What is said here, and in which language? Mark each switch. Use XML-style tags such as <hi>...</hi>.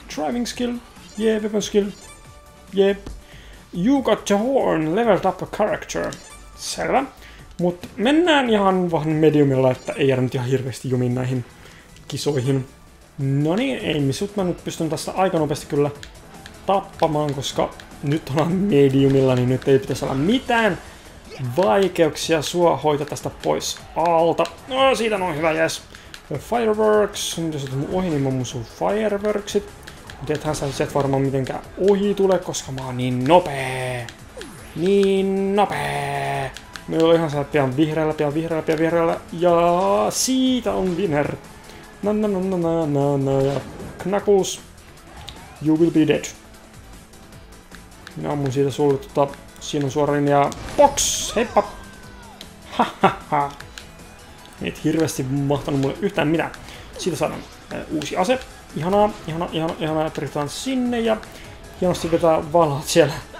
<en>Driving skill, yeah, weapon skill, yeah. You got the horn, leveled up a character. Selvä.</en> <fi>Mut mennään ihan vaan mediumilla, että ei jäädä nyt ihan hirveesti jumiin näihin kisoihin. No niin, Amy, sut mä nyt pystyn tästä aika nopeasti kyllä tappamaan, koska nyt ollaan mediumilla, niin nyt ei pitäisi olla mitään vaikeuksia sua hoita tästä pois alta. No siitä noin hyvä, jes. Fireworks, nyt jos otat mun ohi, niin mä mun sun fireworksit. Mut ethän sä et varmaan mitenkään ohi tule, koska mä oon niin nopee. Niin nopee. Me ollaan ihan sieltä pian vihreällä. Ja siitä on winner.</fi> <en>Ja Knuckles, you will be dead.</en> <fi>Minä ammun siitä sulle tota, siinä on suora linja. Box, heippa. Ha. Et hirveesti mahtanut mulle yhtään mitään. Siitä saadaan uusi ase. Ihanaa, että ryhtään sinne ja hienosti vetää valot siellä.</fi>